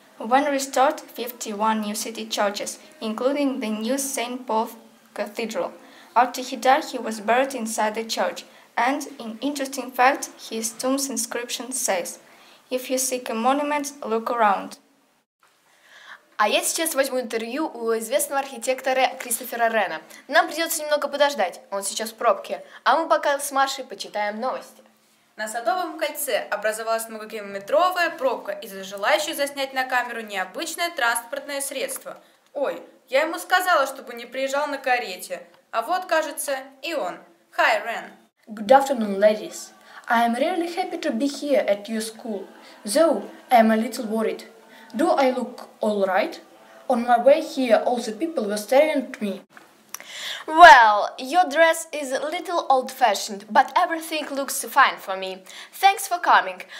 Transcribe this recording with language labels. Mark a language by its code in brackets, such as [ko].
[en] Wren restored 51 new city churches, including the new St. Paul's Cathedral. After he died, he was buried inside the church, and, an interesting fact, his tomb's inscription says, "If you seek a monument, look around." [ru] А я сейчас возьму интервью у известного архитектора Кристофера Рена. Нам придется немного подождать, он сейчас в пробке. А мы пока с Машей почитаем новости. На Садовом кольце образовалась многокилометровая пробка из-за желающих заснять на камеру необычное транспортное средство. Ой, я ему сказала, чтобы не приезжал на карете. А вот, кажется, и он. Hi, Рен. [en] Good afternoon, ladies. I am really happy to be here at your school, though I am a little worried. Do I look all right? On my way here, all the people were staring at me. Well, your dress is a little old-fashioned, but everything looks fine for me. Thanks for coming.